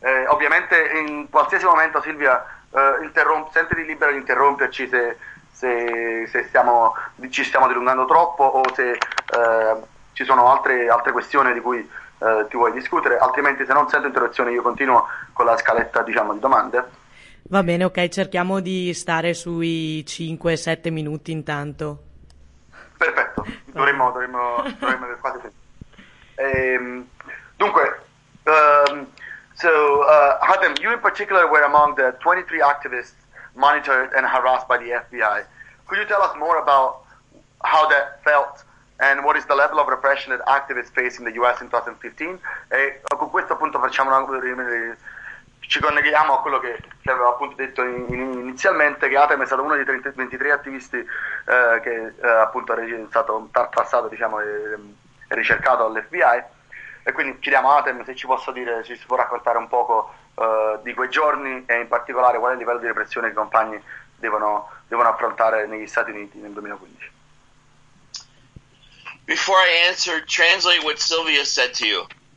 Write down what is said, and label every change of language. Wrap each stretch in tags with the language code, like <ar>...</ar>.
<it>Ovviamente in qualsiasi momento, Silvia, sentiti libera di interromperci se ci stiamo dilungando troppo, o se ci sono altre questioni di cui ti vuoi discutere. Altrimenti, se non sento interruzioni, io continuo con la scaletta, diciamo, di domande. Va bene, ok, cerchiamo di stare sui 5-7 minuti intanto. Perfetto, dovremmo aver quasi finito.</it> <en>Hatem, you in particular were among the 23 activists monitored and harassed by the FBI. Could you tell us more about how that felt and what is the level of repression that activists face in the US in 2015?</en> <it>E con questo appunto facciamo ci conneghiamo a quello che avevo appunto detto inizialmente, che Atem è stato uno dei 23 attivisti che appunto è stato trapassato, diciamo, e ricercato all'FBI. E quindi chiediamo a Atem se ci possa dire, se si può raccontare un poco di quei giorni, e in particolare qual è il livello di repressione che i compagni devono affrontare negli Stati Uniti nel 2015.</it> <en>Before I answer, translate what Sylvia said to you.</en>